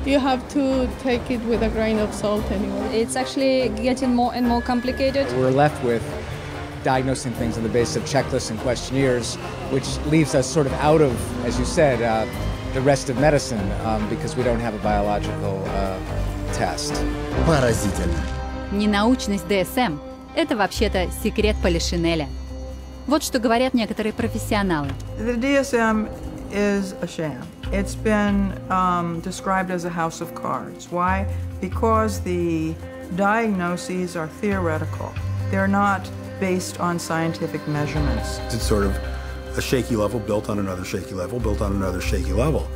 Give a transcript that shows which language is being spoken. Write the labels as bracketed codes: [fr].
[en] You have to take it with a grain of salt anyway. It's actually getting more and more complicated. We're left with diagnosing things on the basis of checklists and questionnaires, which leaves us sort of out of, as you said, the rest of medicine, because we don't have a biological test. [ru] Поразительно. Ненаучность DSM – это вообще-то секрет Полишинеля. Вот что говорят некоторые профессионалы. [en] The DSM is a sham. It's been described as a house of cards. Why? Because the diagnoses are theoretical. They're not based on scientific measurements. It's sort of a shaky level built on another shaky level built on another shaky level.